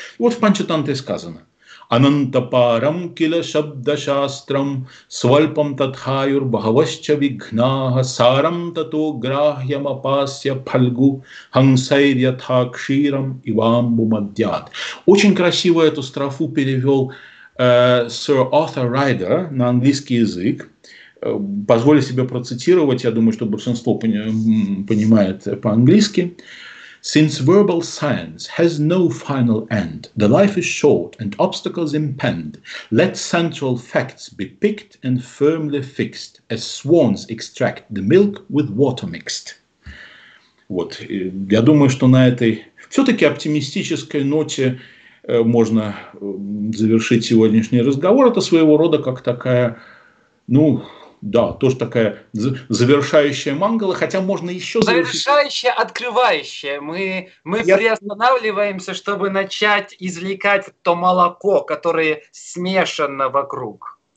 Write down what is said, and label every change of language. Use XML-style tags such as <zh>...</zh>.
<ru>И вот в Панчатантре сказано.</ru> <sa>Анантапарам кила шабда шастрам свальпам татхаюр бхавасча вигнаха сарам тато грахьям апасья пальгу хансайрья такширам ивамбу мадьят.</sa> <ru>Очень красиво эту строфу перевел сэр Артур Райдер на английский язык. Позволю себе процитировать, я думаю, что большинство понимает по-английски.</ru> <en>Since verbal science has no final end, the life is short and obstacles impend, let central facts be picked and firmly fixed, as swans extract the milk with water mixed.</en> <ru>Вот, я думаю, что на этой все-таки оптимистической ноте можно завершить сегодняшний разговор. Это своего рода как такая, ну... Да, тоже такая завершающая мангала, хотя можно еще завершающая, открывающая. Мы приостанавливаемся, чтобы начать извлекать то молоко, которое смешано вокруг.</ru>